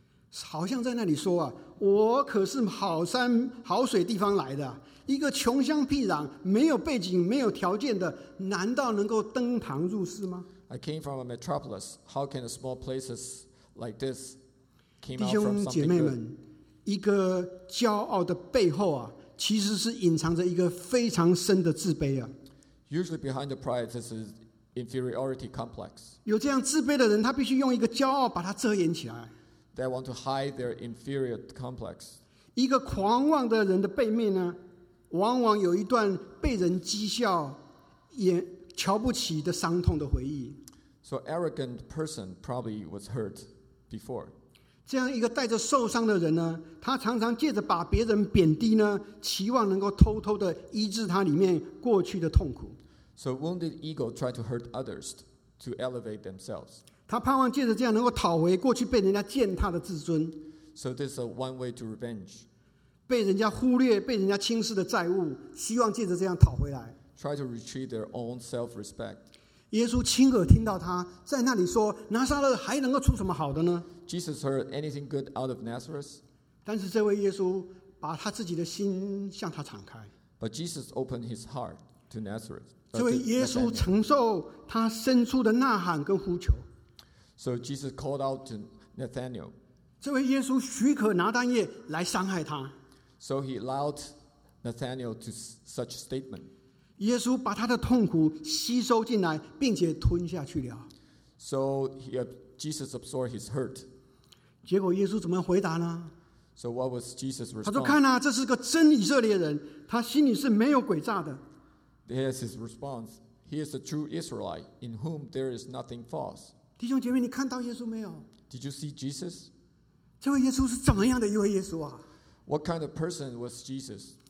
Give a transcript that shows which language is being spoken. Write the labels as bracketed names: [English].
[Chinese] 好像在那里说啊, 我可是好山好水地方来的, 一个穷乡僻壤, 没有背景, 没有条件的, 难道能够登堂入室吗? [English] I came from a metropolis. How can a small place like this came out from [Chinese] 弟兄姐妹们, 一个骄傲的背后啊, 其实是隐藏着一个非常深的自卑啊。 [English] Usually behind the pride, this is inferiority complex. [Chinese] 有这样自卑的人, 他必须用一个骄傲把它遮掩起来。 [English] They want to hide their inferior complex. [Chinese] 一个狂妄的人的背面呢, 往往有一段被人讥笑, 也瞧不起的伤痛的回忆。 [English] So arrogant person probably was hurt before. [Chinese] 这样一个带着受伤的人呢, 他常常借着把别人贬低呢, 期望能够偷偷地医治他里面过去的痛苦。 [English] So wounded ego try to hurt others to elevate themselves. [Chinese] 他盼望借着这样能够讨回过去被人家践踏的自尊。 [English] So this is a one way to revenge. [Chinese] 被人家忽略，被人家轻视的债务， 希望借着这样讨回来。 [English] Try to retrieve their own self-respect. [Chinese] 耶稣亲耳听到他在那里说， 拿撒勒还能够出什么好的呢？ [English] Jesus heard anything good out of Nazareth. [Chinese] 但是这位耶稣把他自己的心向他敞开。 [English] But Jesus opened his heart to Nazareth. [Chinese] 这位耶稣承受他伸出的呐喊跟呼求。 [English] So Jesus called out to Nathanael. [Chinese] 这位耶稣许可拿单业来伤害他。 [English] So he allowed Nathanael to such statement. [Chinese] 耶稣把他的痛苦吸收进来，并且吞下去了。 [English] So Jesus absorbed his hurt. [Chinese] 结果耶稣怎么回答呢？ [English] So what was Jesus' response? [Chinese] 他说：“看啊，这是个真以色列人，他心里是没有诡诈的。” [English] Here's his response. He is a true Israelite in whom there is nothing false. [Chinese] 弟兄姐妹，你看到耶稣没有？ [English] Did you see Jesus? [Chinese] 这位耶稣是怎么样的一位耶稣啊？ [English] What kind of person was Jesus?